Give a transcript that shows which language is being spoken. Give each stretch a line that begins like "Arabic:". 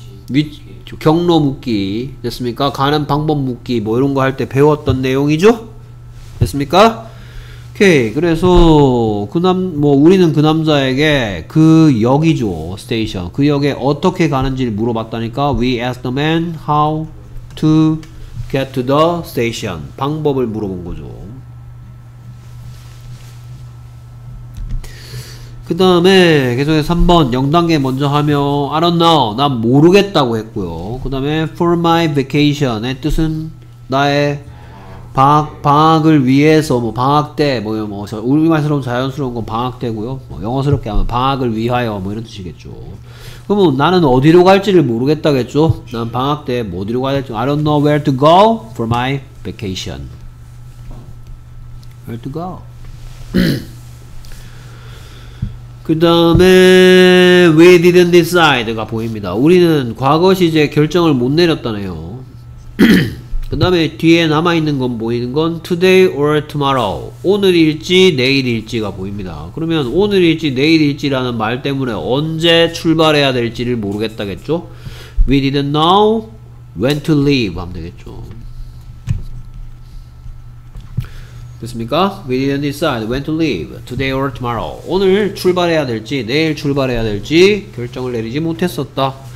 Korean: 위치, 경로 묻기. 됐습니까? 가는 방법 묻기. 뭐 이런 거 할 때 배웠던 내용이죠? 됐습니까? 오케이. 그래서 그 남, 뭐 우리는 그 남자에게 그 역이죠. 스테이션. 그 역에 어떻게 가는지를 물어봤다니까.
English: We asked the man how to get to the station.
Korean: 방법을 물어본 거죠. 그 다음에 계속해서 3번 영단계 먼저 하며
English: I don't know
Korean: 난 모르겠다고 했고요. 그 다음에
English: for my vacation
Korean: 의 뜻은 나의 방학을 위해서 뭐 방학 때 뭐 뭐 우리말스러운 자연스러운 건 방학 때고요. 뭐 영어스럽게 하면 방학을 위하여 뭐 이런 뜻이겠죠. 그러면 나는 어디로 갈지를 모르겠다겠죠. 난 방학 때 뭐 어디로 가야 될지
English: I don't know where to go for my vacation. Where to go?
Korean: 그 다음에
English: we didn't decide
Korean: 가 보입니다. 우리는 과거 시제 결정을 못 내렸다네요. 그 다음에 뒤에 남아있는 건 보이는 건
English: today or tomorrow
Korean: 오늘일지 내일일지가 보입니다. 그러면 오늘일지 내일일지라는 말 때문에 언제 출발해야 될지를 모르겠다겠죠.
English: we didn't know when to leave
Korean: 하면 되겠죠. 됐습니까?
English: We didn't decide when to leave today or tomorrow.
Korean: 오늘 출발해야 될지 내일 출발해야 될지 결정을 내리지 못했었다.